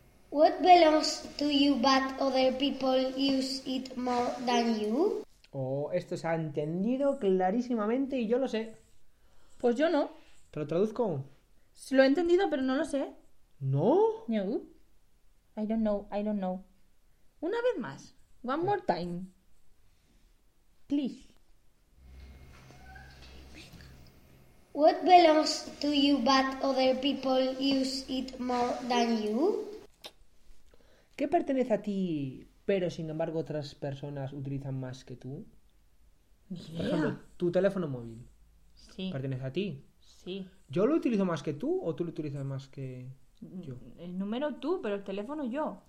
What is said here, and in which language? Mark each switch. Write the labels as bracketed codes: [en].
[en] What belongs to you but other people use it more than you? [es] Oh, esto se ha entendido clarísimamente y yo lo sé. Pues yo no. ¿Te lo traduzco? Lo he entendido, pero no lo sé. ¿No? [en] No. I don't know. [es] Una vez más. [en] One more time. Please. What belongs to you but other people use it more than you? [es] ¿Qué pertenece a ti, pero sin embargo otras personas utilizan más que tú? Por ejemplo, tu teléfono móvil. Sí. ¿Pertenece a ti? Sí. ¿Yo lo utilizo más que tú o tú lo utilizas más que yo? El número tú, pero el teléfono yo.